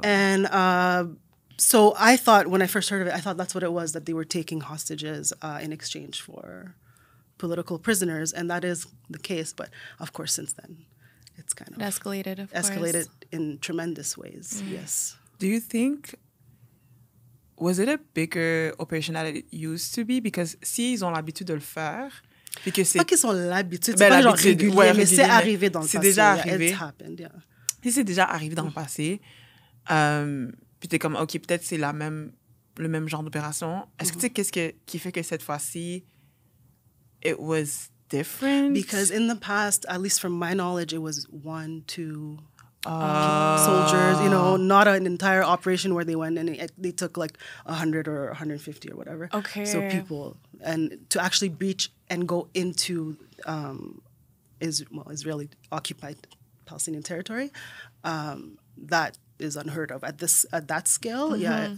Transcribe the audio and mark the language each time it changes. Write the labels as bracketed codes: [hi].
[en] And so I thought, when I first heard of it, I thought that's what it was, that they were taking hostages in exchange for political prisoners. And that is the case. But of course, since then, it's kind of... It escalated, of course. Escalated in tremendous ways, yes. Do you think was it a bigger operation than it used to be? Because [fr] s'ils ont l'habitude de le faire, puis que c'est... Pas qu'ils ont l'habitude, c'est ben, pas l'habitude, genre régulier, ouais, régulier, mais c'est arrivé dans le c'est passé. C'est déjà arrivé. [en] Yeah, it happened, yeah. [fr] Si c'est déjà arrivé dans le passé, puis t'es comme, OK, peut-être c'est la même, le même genre d'opération. Est-ce que tu sais qu'est-ce que, qui fait que cette fois-ci, [en] it was different? Because in the past, at least from my knowledge, it was one, two... soldiers, you know, not an entire operation where they went and they took like 100 or 150 or whatever. Okay. So people, and to actually breach and go into Israeli occupied Palestinian territory, that is unheard of at that scale. Mm-hmm.